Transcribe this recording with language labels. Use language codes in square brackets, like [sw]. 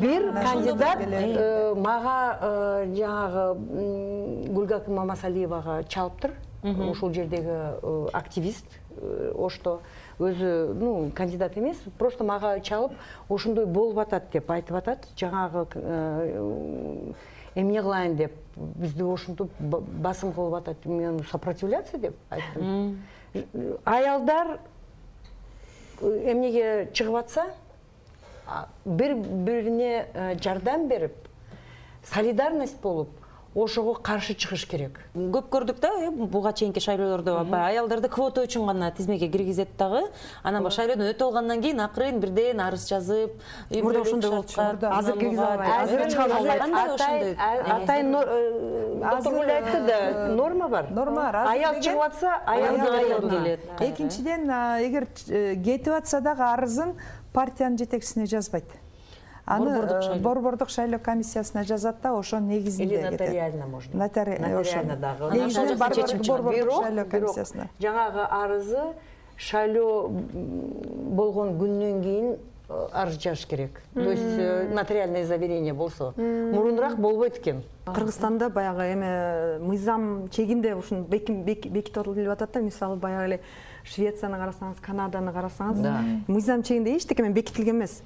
[ky] бир кандидат мага жагы Гүлгак Мамасалиевага чалыптыр. Ошол жердеги активист ошто өзү, ну, кандидат эмес, просто мага чалып, ошондой болуп атат деп айтып атат. Жаңагы эмне кылайын деп бизди ошонтип басым кылып атат. Мен сопротивляться деп айттым. Аялдар эмнеге чыгып атса, бир-бирине жардам берип, солидарность болуп, ошого каршы чыгыш керек. Көп көрдүк да, буга чейинки шайлоолордо аялдарды квота үчүн гана тизмеге киргизет дагы. Анан шайлоодон өтүп алгандан кийин акырын бирден арыз жазып, үйдө ошондой болчу. Азыр киргизе албайт. Атайын айтты да, норма бар. Норма, аял чыгып атса, аялдык аял келет. Экинчиден, эгер кетип атса дагы арызын партиянын жетекчисине жазбайт. Аны борбордук шайлоо комиссиясына жазат да, ошон негизинде кетет. [ru] Или нотариально можно. Нотариально [ky] дагы. Негизинен борбордук шайлоо комиссиясына. Жаңагы арызы шайлоо болгон күндөн кийин арыз жазыш керек. То есть нотариальное заверение болсо, мурунураак болбойт экен. Кыргызстанда баягы эме мыйзам чегинде ушун бекитип келип атат да, мисалы баягы эле Швецияны карасаңыз, Канаданы карасаңыз, мыйзам чегинде эчтеке менен бекитилген эмес.